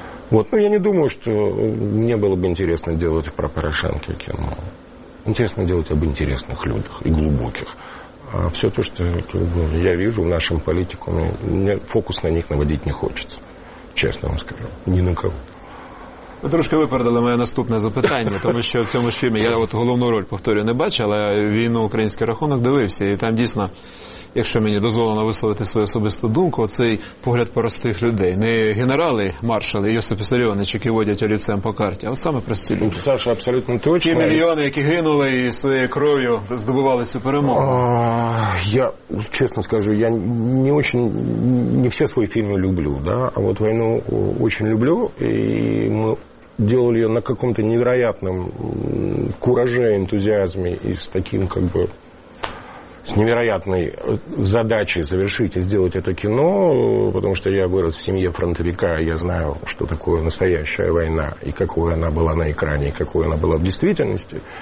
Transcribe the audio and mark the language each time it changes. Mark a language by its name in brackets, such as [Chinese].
[Russian] Ну, я не думаю, что мне было бы интересно делать про Порошенко кино. Интересно делать об интересных людях и глубоких. А все то, что я вижу в нашем политикуме, мне фокус на них наводить не хочется, честно вам скажу, [Ukrainian] ні на кого. Ви трошки випередили моє наступне запитання, тому що в цьому ж фільмі я от головну роль, повторюю, не бачу, але «Війну, український рахунок» дивився, і там дійсно, якщо мені дозволено висловити свою особисту думку, оцей погляд простих людей. Не генерали, маршали, Йосип Іссаріонович, які водять олівцем по карті, а саме прості люди. Саша, абсолютно точно. Ті мільйони, які гинули і своєю кров'ю здобували цю перемогу. Я, чесно скажу, я не дуже, не всі свої фільми люблю, да? А от «Війну» дуже люблю, і ми [Russian] делали ее на каком-то невероятном кураже, энтузиазме и с таким, как бы, с невероятной задачей завершить и сделать это кино, потому что я вырос в семье фронтовика, я знаю, что такое настоящая война, и какой она была на экране, и какой она была в действительности.